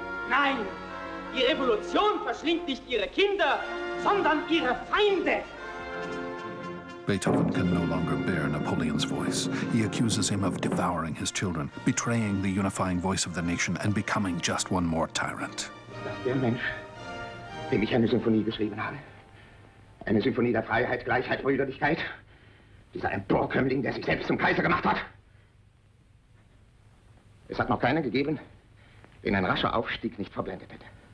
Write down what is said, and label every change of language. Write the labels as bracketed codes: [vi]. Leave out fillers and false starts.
[de] Nein, die Revolution verschlingt nicht ihre Kinder, sondern ihre Feinde. [en] Beethoven can no longer bear Napoleon's voice. He accuses him of devouring his children, betraying the unifying voice of the nation, and becoming just one more tyrant. [de] Der Mensch, dem ich eine Symphonie geschrieben habe, eine Symphonie der Freiheit, Gleichheit, Brüderlichkeit, dieser Emporkömmling, der sich selbst zum Kaiser gemacht hat. Es hat noch keinen gegeben, den ein rascher Aufstieg nicht verblendet hätte.